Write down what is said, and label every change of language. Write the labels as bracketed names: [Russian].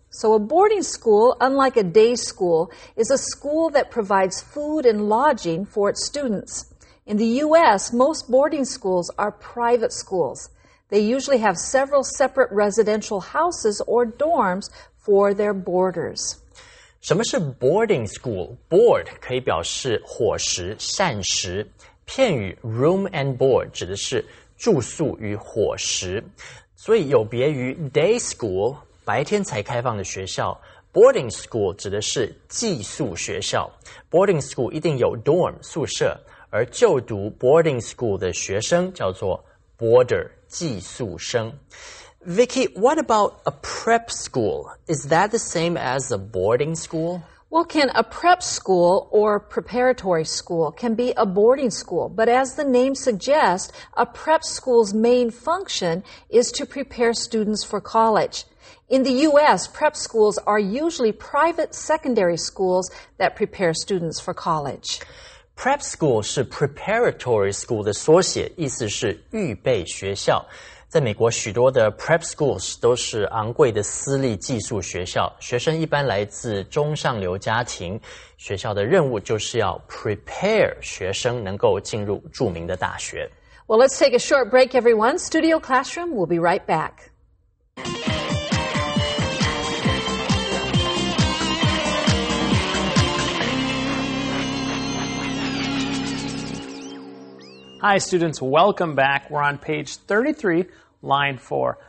[English] So a boarding school, unlike a day school, is a school that provides food and lodging for its students. In the U.S., most boarding schools are private schools. They usually have several separate residential houses or dorms for their boarders. [Chinese] 什么是 boarding school? Board 可以表示伙食、膳食。片语 [English] room and board [Chinese] 指的是住宿与伙食。所以有别于 day school 白天才开放的学校, boarding school 指的是寄宿学校。 Boarding school 一定有 dorm 宿舍。而就读 boarding school 的学生叫做 boarder 寄宿生。 [English] Vicki, what about a prep school? Is that the same as a boarding school? Well, Ken, a prep school or preparatory school can be a boarding school, but as the name suggests, a prep school's main function is to prepare students for college. In the U.S., prep schools are usually private secondary schools that prepare students for college. [Chinese] Prep school 是 preparatory school 的缩写，意思是预备学校。在美国许多的 prep schools 都是昂贵的私立寄宿学校，学生一般来自中上流家庭，学校的任务就是要 prepare 学生能够进入著名的大学。 [English] Well, let's take a short break, everyone. Studio Classroom, we'll be right back. Hi, students. Welcome back. We're on page 33, line 4.